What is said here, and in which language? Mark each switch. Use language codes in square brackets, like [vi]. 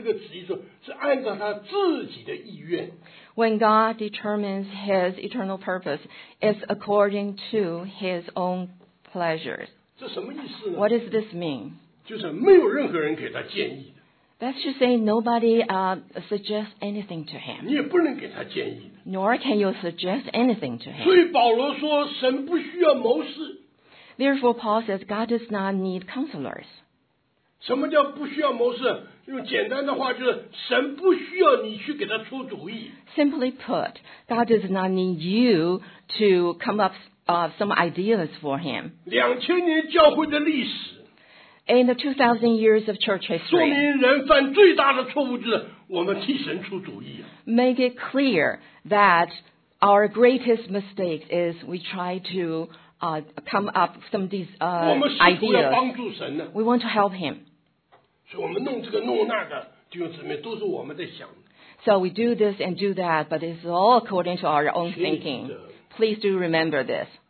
[zh] 这里告诉我们神定他这个旨意是按照他自己的意愿。 [en] When God determines his eternal purpose, it's according to his own pleasures. [zh] 这什么意思呢? [en] What does this mean? [zh] 就是没有任何人给他建议的。 [en] That's to say nobody suggests anything to him. [zh] 你也不能给他建议的。 [en] Nor can you suggest anything to him. [zh] 所以保罗说神不需要谋士。 [en] Therefore Paul says God does not need counselors. [zh] 什么叫不需要谋士? 用简单的话就是神不需要你去给他出主意。 [en] Simply put, God does not need you to come up some ideas for him. [zh] 2000年教会的历史, [en] in the 2000 years of church history, [zh] 说明人犯最大的错误就是我们替神出主意。 [en] Make it clear that our greatest mistake is we try to come up some of these ideas. We want to help him. [zh] 所以我们弄这个弄那个,弟兄姊妹, [en] so we do this and do that, but it's all according to our own thinking. Please do remember this.